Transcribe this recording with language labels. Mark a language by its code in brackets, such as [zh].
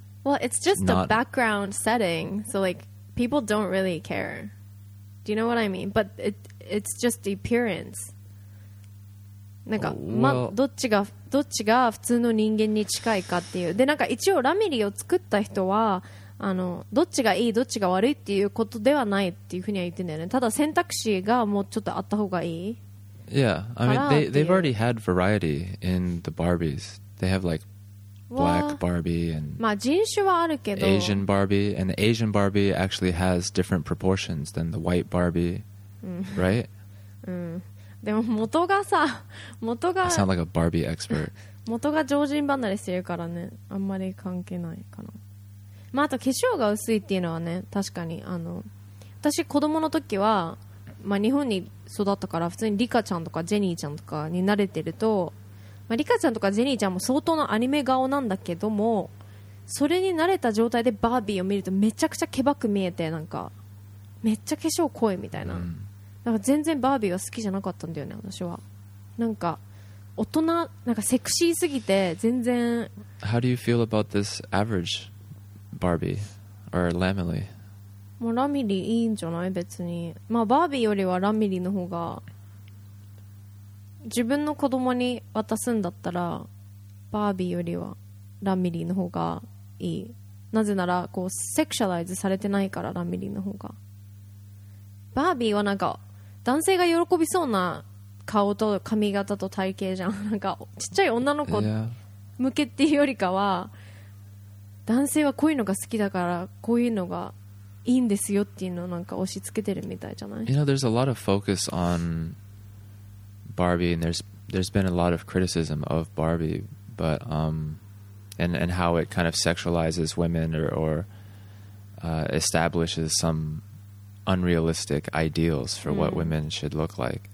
[en] Well, it's just a background setting, so like people don't really care. Do you know what I mean? But it's just the appearance. [ja] なんか、ま、どっちが普通の人間に近いかっていう。で、なんか一応ラミリーを作った人は、あのどっちがいいどっちが悪いっていうことではないっていうふうには言ってんだよね。ただ選択肢がもうちょっとあった方がいい。 [en] Yeah, I mean, they've already had variety in the Barbies. They have like black Barbie and Asian Barbie. And the Asian Barbie actually has different proportions than the white Barbie, right? [ja] でも元がさ、元が [en] I sound like a Barbie expert. [ja] 元が常人離れしてるからね、あんまり関係ないかな。まああと化粧が薄いっていうのはね、確かにあの私子供の時は、まあ、日本に育ったから普通にリカちゃんとかジェニーちゃんとかに慣れてると、まあ、リカちゃんとかジェニーちゃんも相当のアニメ顔なんだけども、それに慣れた状態でバービーを見るとめちゃくちゃケバく見えて、なんかめっちゃ化粧濃いみたいな、なんか全然バービーは好きじゃなかったんだよね私は。なんか大人、なんかセクシーすぎて全然。 [en] How do you feel about this average Barbie or Lamely? [ja] もうラミリーいいんじゃない別に。まあバービーよりはラミリーの方が自分の子供に渡すんだったらバービーよりはラミリーの方がいい。なぜならこうセクシャライズされてないから、ラミリーの方が。バービーはなんか男性が喜びそうな顔と髪型と体型じゃん。なんかちっちゃい女の子向けっていうよりかは、男性はこういうのが好きだからこういうのがいいんですよっていうのをなんか押し付けてるみたいじゃない。 [en] You know, there's a lot of focus on Barbie, and there's been a lot of criticism of Barbie, but and how it kind of sexualizes women or establishes some unrealistic ideals for what women should look like.